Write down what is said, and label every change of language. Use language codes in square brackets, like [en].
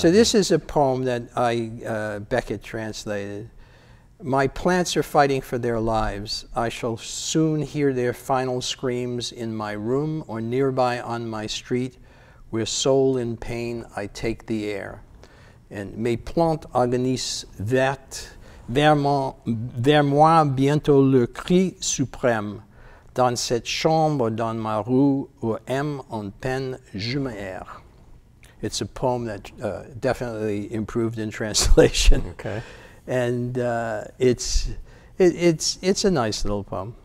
[en] So this is a poem that Beckett translated. My plants are fighting for their lives. I shall soon hear their final screams in my room or nearby on my street, where soul in pain I take the air. [fr] And mes plantes agonissent vertes, vers moi bientôt le cri suprême. Dans cette chambre, dans ma rue, où aime en peine, je m'erre. [en] It's a poem that definitely improved in translation. Okay. And it's a nice little poem.